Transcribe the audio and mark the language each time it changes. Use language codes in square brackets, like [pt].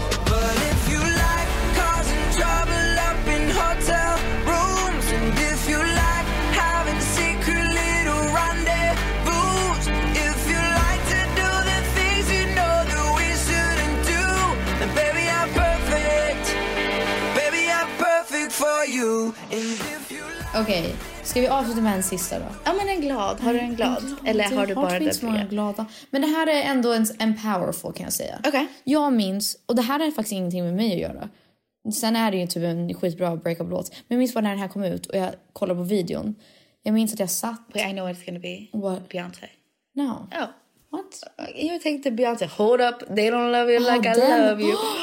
[en] But if you like causing trouble up in hotel rooms, and if you like having secret little rendezvous, if you like to do the things you know that we shouldn't do, then baby, I'm perfect. Baby, I'm perfect for you. And if you like... Okay. [sv] Ska vi avsluta med en sista då? Ja, men en glad. Har du en glad? Eller har du bara det? Det finns glada. Men det här är ändå en powerful, kan jag säga. Okej. [en] Okay. [sv] Jag minns, och det här är faktiskt ingenting med mig att göra. Sen är det ju typ en skitbra breakup-låt. Men jag minns bara när den här kom ut och jag kollade på videon. Jag minns att jag satt... [en] Wait, I know what it's gonna be. What? Beyonce. No. Oh. What? You think the Beyonce, hold up, they don't love you like I love you.